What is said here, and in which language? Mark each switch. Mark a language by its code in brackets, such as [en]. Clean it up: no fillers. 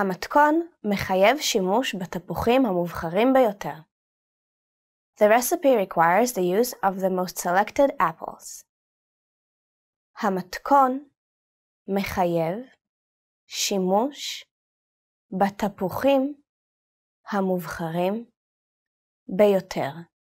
[he] המתכון מחייב שימוש בתפוחים המובחרים ביותר. [en] The recipe requires the use of the most selected apples. [he] המתכון מחייב שימוש בתפוחים המובחרים ביותר.